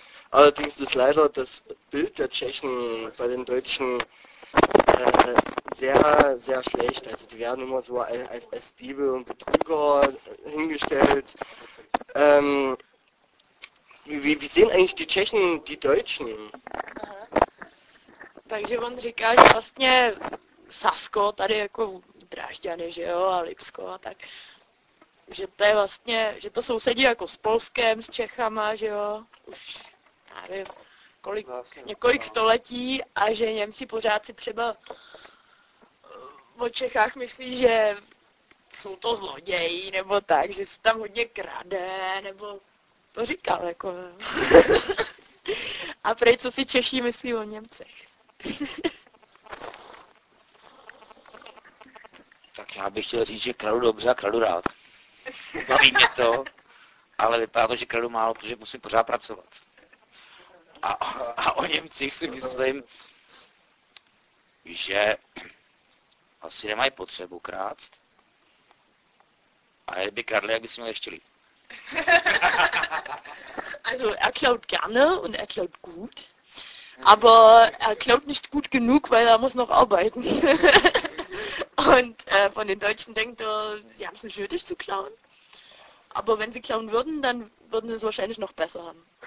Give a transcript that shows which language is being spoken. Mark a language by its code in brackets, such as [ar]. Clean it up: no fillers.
[de] Allerdings ist leider das Bild der Tschechen bei den Deutschen sehr, sehr schlecht. Also die werden immer so als Diebe und Betrüger hingestellt. Wie sehen eigentlich die Tschechen die Deutschen? [cs] Takže on říká, že vlastně Sasko, tady jako Drážďany, že jo, a Lipsko a tak, že to je vlastně, že to sousedí jako s Polskem, s Čechama, že jo, už nevím, několik století, a že Němci pořád si třeba o Čechách myslí, že jsou to zloději, nebo tak, že se tam hodně krade, nebo to říkal, jako. A prej, co si Češi myslí o Němcech. Tak já bych chtěl říct, že kradu dobře a kradu rád. Baví mě to, ale vypadá to, že kradu málo, protože musím pořád pracovat. A o Němcích si myslím, že asi nemají potřebu krást. A kdyby kradli, jak by si měli ještě líp. [de] Also er klaut gerne und er klaut gut. Aber er klaut nicht gut genug, weil er muss noch arbeiten. Und von den Deutschen denkt er, sie haben es nicht nötig zu klauen. Aber wenn sie klauen würden, dann würden sie es wahrscheinlich noch besser haben.